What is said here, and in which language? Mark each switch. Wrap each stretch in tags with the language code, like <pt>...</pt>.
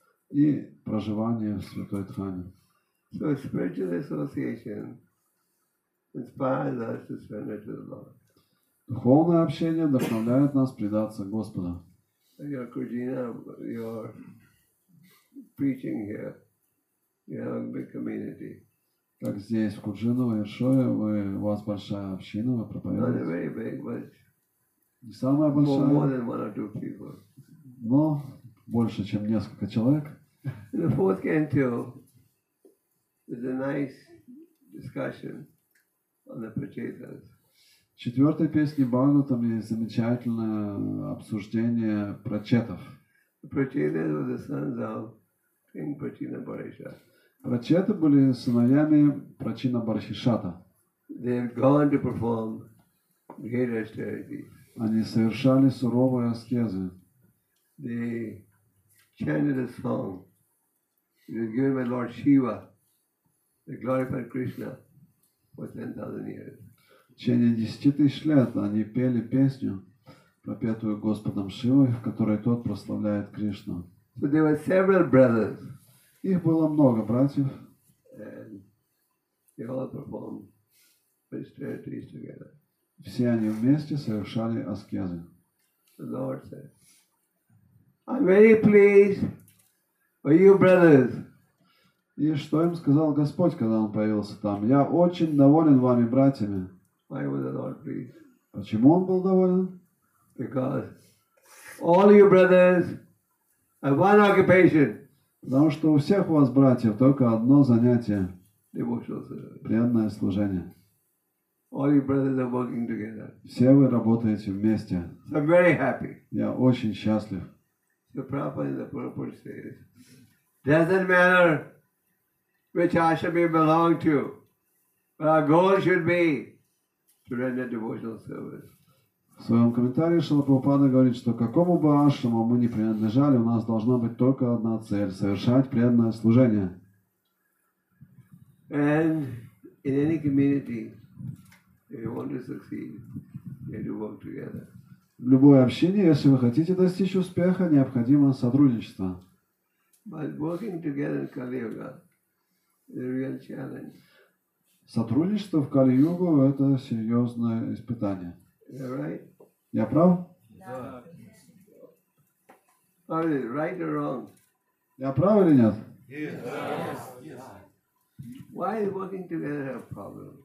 <ru>И проживание в святой Дхаме.</ru> <en>So spiritual association inspires us to surrender to the Lord.</en> <ru>Духовное общение вдохновляет нас предаться Господу.</ru> <en>Your Kujina, your preaching here, you have a big community.</en> <ru>Как здесь, в Куджинове, Иршое, у вас большая община, вы проповедуете. Не самая большая, но больше, чем несколько человек.</ru> <en>The fourth canto is a nice discussion on the prachetas.</en> <ru>В четвертой песне Бхагаватам есть замечательное обсуждение прачетов.</ru> <en>The prachetas were the sons of King Prachina Bharisha.</en> <ru>Прачеты были сыновьями Прачина Бархишата.</ru> <en>They had gone to perform great austerities.</en> <ru>Они совершали суровые аскезы.</ru> <en>They chanted a song. It was given by Lord Shiva, the glorified Krishna, for 10,000 years.</en> <ru>В течение 10 тысяч лет они пели песню, пропетую Господом Шивой, в которой тот прославляет Кришну.</ru> <en>So there were several brothers.</en> <ru>Их было много братьев.</ru> <en>And they all performed great austerities together.</en> <ru>Все они вместе совершали аскезы.</ru> <en>The Lord said, I'm very pleased with you, brothers.</en> <ru>И что им сказал Господь, когда он появился там? Я очень доволен вами, братьями.</ru> <en>Why was the Lord pleased?</en> <ru>Почему он был доволен?</ru> <en>Because all you brothers have one occupation.</en> <ru>Потому что у всех у вас, братьев, только одно занятие.</ru> <en>Devotional service.</en> <ru>Преданное служение.</ru> <en>All your brothers are working together.</en> <ru>Все вы работаете вместе.</ru> <en>So I'm very happy.</en> <ru>Я очень счастлив.</ru> <en>So Prabhupada in the purport says, doesn't matter which ashram you belong to, but our goal should be to render devotional service.</en> <ru>В своем комментарии Шрила Прабхупада говорит, что какому бы ашраму мы ни принадлежали, у нас должна быть только одна цель — совершать преданное служение.</ru> <en>And in any community, if you want to succeed, you have to work together.</en> <ru>В любой общине, если вы хотите достичь успеха, необходимо сотрудничество.</ru> <en>But working together in Kali-Yuga is a real challenge.</en> <ru>Сотрудничество в Кали-Югу — это серьезное испытание.</ru> <en>Right?</en> <ru>Я прав? Да.</ru> <en>Yeah. Yeah. Right or wrong?</en> <ru>Я прав или нет?</ru> <en>Yes. Why is working together a problem?</en>